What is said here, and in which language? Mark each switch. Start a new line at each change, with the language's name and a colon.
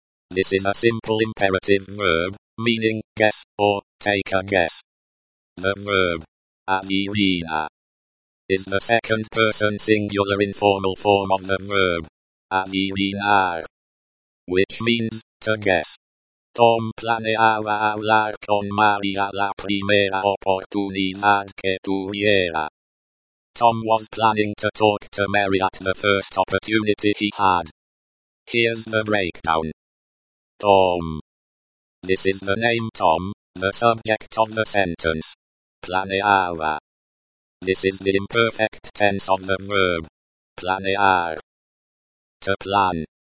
English: This is a simple imperative verb, meaning, guess, or, take a guess. The verb, adivina, is the second person singular informal form of the verb, adivinar, which means, to guess.
Spanish: Tom planeaba hablar con María la primera oportunidad que tuviera.
English: Tom was planning to talk to Mary at the first opportunity he had. Here's the breakdown. Tom. This is the name Tom, the subject of the sentence. Planeaba. This is the imperfect tense of the verb. Planear. To plan.